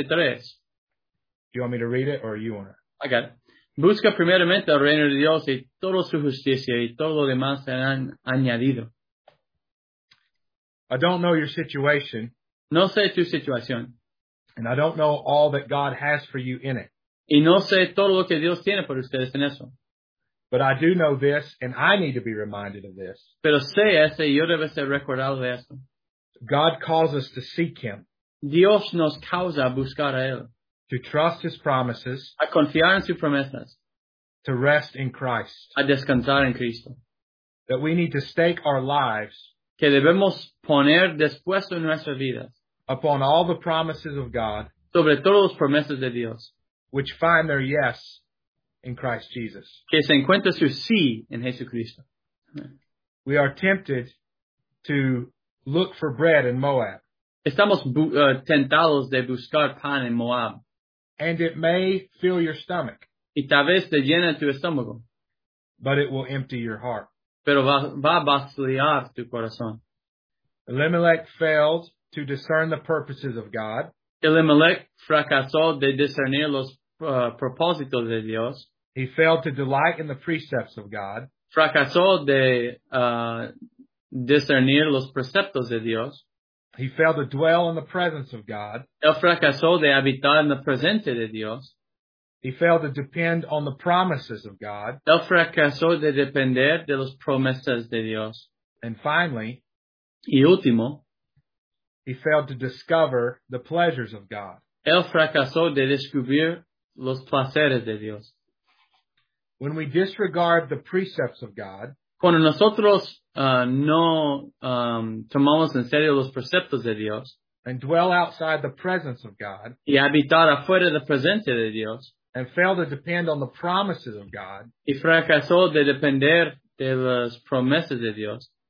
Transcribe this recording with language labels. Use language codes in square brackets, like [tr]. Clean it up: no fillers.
[en] Do you want me to read it or you want to? I got it. [es] Busca primeramente el reino de Dios y toda su justicia y todo lo demás serán añadido. [en] I don't know your situation. [es] No sé tu situación. [en] And I don't know all that God has for you in it. [es] Y no sé todo lo que Dios tiene para ustedes en eso. [en] But I do know this and I need to be reminded of this. [es] Pero sé eso y yo debo ser recordado de eso. [en] God calls us to seek Him. [es] Dios nos causa a buscar a Él. [en] To trust His promises. [es] A confiar en sus promesas. [en] To rest in Christ. [es] A descansar en Cristo. [en] That we need to stake our lives. [es] Que debemos poner dispuesto en nuestras vidas. [en] Upon all the promises of God. [es] Sobre todas las promesas de Dios. [en] Which find their yes in Christ Jesus. [es] Que se encuentra su sí en Jesucristo. [en] We are tempted to look for bread in Moab. [es] Estamos tentados de buscar pan en Moab. [en] And it may fill your stomach. [es] Y tal vez te llena tu estómago. [en] But it will empty your heart. [es] Pero va vaciar tu corazón. [en] Elimelech failed to discern the purposes of God. [es] Elimelech fracasó de discernir los propósitos de Dios. [en] He failed to delight in the precepts of God. [es] fracasó de discernir los preceptos de Dios. [en] He failed to dwell in the presence of God. [es] Él fracasó de habitar en la presencia de Dios. [en] He failed to depend on the promises of God. [es] Él fracasó de depender de las promesas de Dios. [en] And finally, [es] y último, [en] he failed to discover the pleasures of God. [es] Él fracasó de descubrir los placeres de Dios. [en] When we disregard the precepts of God, [es] cuando nosotros tomamos en serio los preceptos de Dios, [en] and dwell outside the presence of God, [es] y habitar afuera de la presencia de Dios, [en] and fail to depend on the promises of God, [es] y fracasó de depender de las promesas de Dios,